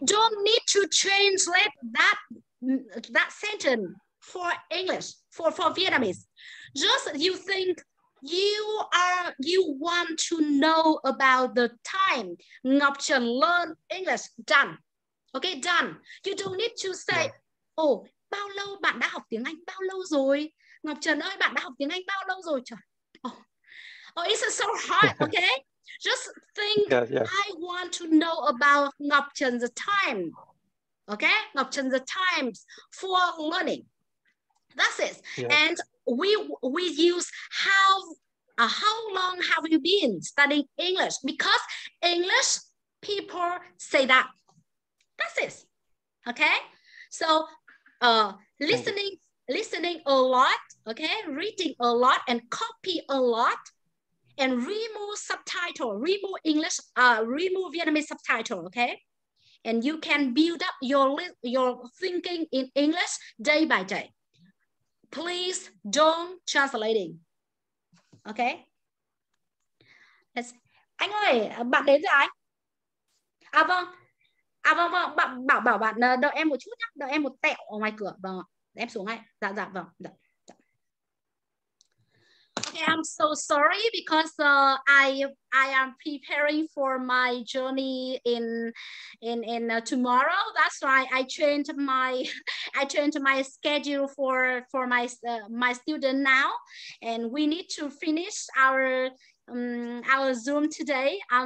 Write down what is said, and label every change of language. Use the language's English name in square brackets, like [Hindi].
[English] Don't need to translate that sentence for English, for Vietnamese. Just you think you want to know about the time Ngọc Trần learn English, done. You don't need to say, yeah. [Vietnamese] Oh, bao lâu bạn đã học tiếng Anh, bao lâu rồi? Ngọc Trần ơi, bạn đã học tiếng Anh bao lâu rồi? [English] Oh, it's so hard, okay? Just think, yeah, yeah. I want to know about Ngọc Trần's time, okay? Ngọc Trần's times for learning. That's it. Yeah. And we use how long have you been studying English? Because English people say that. That's it, okay? So listening a lot, okay? Reading a lot and copy a lot. And remove subtitle, remove English, remove Vietnamese subtitle, okay? And you can build up your thinking in English day by day. Please don't translating, okay? [Vietnamese] Anh ơi, bạn đến rồi anh? À vâng, bảo bạn đợi em một chút nhá, đợi em một tẹo ở ngoài cửa, vâng ạ. Em xuống ngay, dạ vâng, dạ. [English] Okay, I'm so sorry because I am preparing for my journey in tomorrow. That's why I changed my schedule for my my student now, and we need to finish our Zoom today.